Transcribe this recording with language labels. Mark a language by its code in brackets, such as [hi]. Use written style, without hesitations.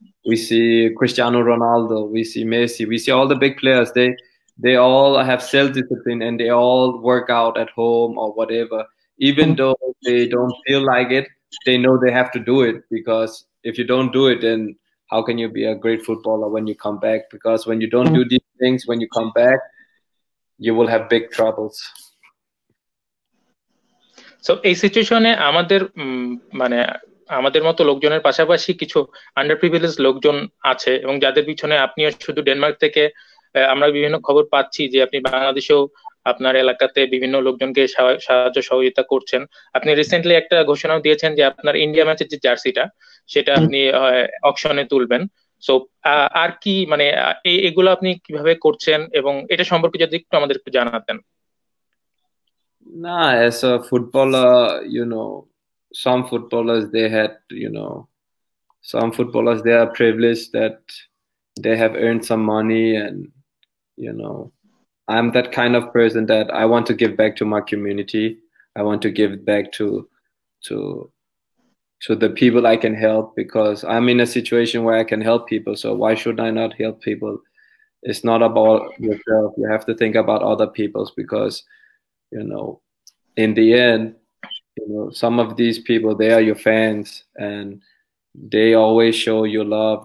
[en] We see Cristiano Ronaldo, we see Messi, we see all the big players, they all have self-discipline, and they all work out at home or whatever, even though they don't feel like it. They know they have to do it, because if you don't do it, then how can you be a great footballer when you come back? Because when you don't do these things, when you come back, you will have big troubles. [bn] So এই সিচুয়েশনে আমাদের মানে আমাদের মতো লোকজনের পাশাপাশি কিছু আন্ডারপ্রিভিলেজ লোকজন আছে, এবং যাদের পিছনে আপনি শুধু ডেনমার্ক থেকে আমরা বিভিন্ন খবর পাচ্ছি যে আপনি বাংলাদেশেও আপনার এলাকাতে বিভিন্ন লোকজনকে সাহায্য সহযোগিতা করছেন। আপনি রিসেন্টলি একটা ঘোষণাও দিয়েছেন যে আপনার ইন্ডিয়া ম্যাচের যে জার্সিটা সেটা আপনি অকশনে তুলবেন। সো আর কি মানে এগুলো আপনি কিভাবে করছেন, এবং এটা সম্পর্কে যদি একটু আমাদের একটু জানাতেন। [en] না, as a footballer, you know, some footballers they had, you know, some footballers they are privileged that they have earned some money, and you know, I'm that kind of person that I want to give back to my community. I want to give back to the people I can help, because I'm in a situation where I can help people. So why should I not help people? It's not about yourself. You have to think about other people's, because, you know, in the end, you know, some of these people, they are your fans, and they always show you love.